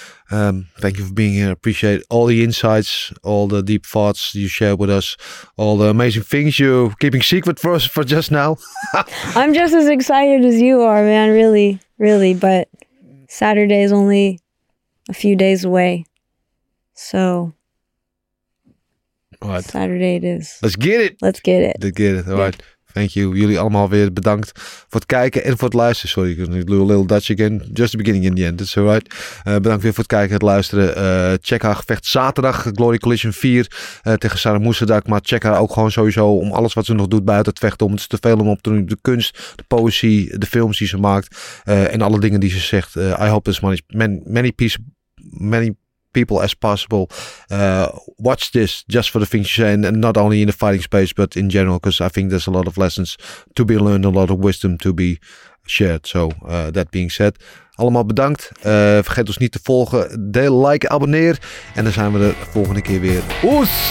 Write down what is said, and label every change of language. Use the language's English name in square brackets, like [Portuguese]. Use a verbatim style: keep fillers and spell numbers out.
[English] Um, thank you for being here. I appreciate all the insights, all the deep thoughts you share with us, all the amazing things you're keeping secret for us for just now. I'm just as excited as you are, man. Really, really. But Saturday is only a few days away. So right. Saturday it is. Let's get it. Let's get it. Let's get it. All yeah. right. Thank you. [Dutch] Jullie allemaal weer bedankt voor het kijken en voor het luisteren. [English] Sorry, [Dutch] ik doe [English] a little Dutch again. Just the beginning and the end. That's all right. [Dutch] Uh, bedankt weer voor het kijken en het luisteren. Uh, check haar gevecht zaterdag. Glory Collision vier uh, tegen Sarah Moesedak. Maar check haar ook gewoon sowieso om alles wat ze nog doet buiten het vechten om. Het is te veel om op te doen. De kunst, de poëzie, de films die ze maakt. Uh, en alle dingen die ze zegt. [English] Uh, I hope this man is many, many peace, many people as possible uh watch this just for the things you say, and, and not only in the fighting space but in general, because I think there's a lot of lessons to be learned, a lot of wisdom to be shared. So uh, that being said, [Dutch] allemaal bedankt, uh, vergeet ons niet te volgen, deel, like, abonneer en dan zijn we de volgende keer weer. Oes!